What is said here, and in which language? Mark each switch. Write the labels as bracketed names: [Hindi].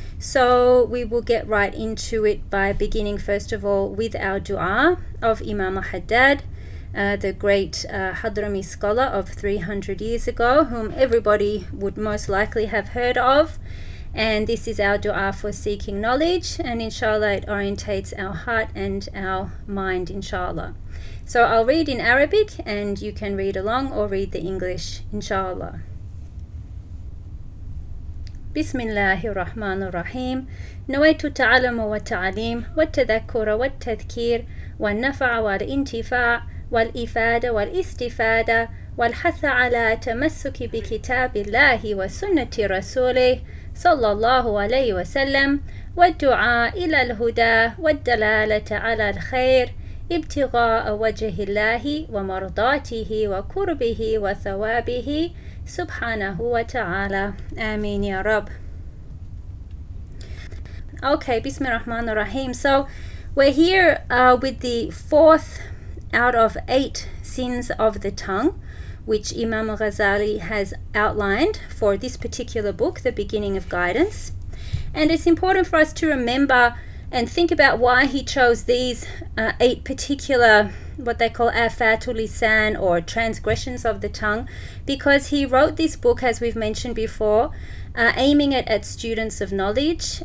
[English] So we will get right into it by beginning first of all with our dua of Imam Haddad, the great Hadrami scholar of 300 years ago, whom everybody would most likely have heard of. And this is our dua for seeking knowledge, and inshallah it orientates our heart and our mind, inshallah. So I'll read in Arabic and you can read along or read the English, inshallah. [Arabic] Bismillahir Rahmanir Rahim. Nawaitu ta'allama wa ta'lim wa tadhakkura wa tadhkir wa naf'a wa intifa' والإفادة والاستفادة والحث على تمسك بكتاب الله وسنة رسوله صلى الله عليه وسلم والدعاء إلى الهدى والدلالة على الخير ابتغاء وجه الله ومرضاته وكربه وثوابه سبحانه وتعالى آمين يا رب. Okay, بسم الله الرحمن الرحيم. [English] So we're here with the fourth out of eight sins of the tongue, which Imam al-Ghazali has outlined for this particular book, The Beginning of Guidance. And it's important for us to remember and think about why he chose these eight particular, what they call afatul lisan, or transgressions of the tongue, because he wrote this book, as we've mentioned before, aiming it at students of knowledge.